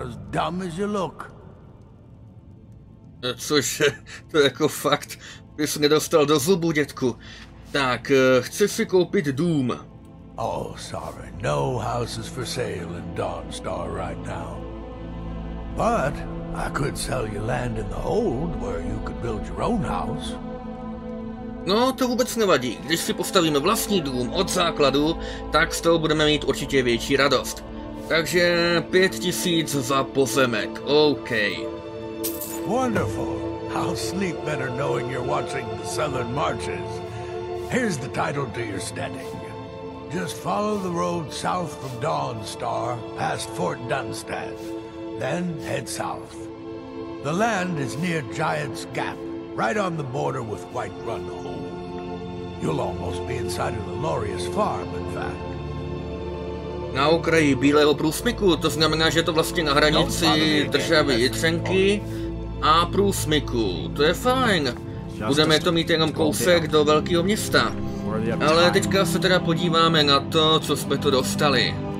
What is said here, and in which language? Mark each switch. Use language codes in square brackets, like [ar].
[en] Dumb as you look. [cs] Což to jako fakt bys nedostal do zubu, dětku. Tak, chci si koupit dům. [en] Oh, sorry. No houses for sale in Dawnstar right now. But I could sell you land in the hold where you could build your own house. [cs] No, to vůbec nevadí. Když si postavíme vlastní dům od základu, tak z toho budeme mít určitě větší radost. Takže 5000 za pozemek. OK. [en] Wonderful. I'll sleep better knowing you're watching the Southern Marches. Here's the title to your standing. Just follow the road south from Dawnstar, past Fort Dunstan. Then head south. The land is near Giant's Gap, right on the border with Whiterun Hold. You'll almost be inside of the Lorius farm, in fact. [cs] Na okraji Bílého průsmyku, to znamená, že je to vlastně na hranici državy Jitřenky a průsmyku. To je fajn. Budeme to mít jenom kousek do velkého města. Ale teďka se teda podíváme na to, co jsme tu dostali.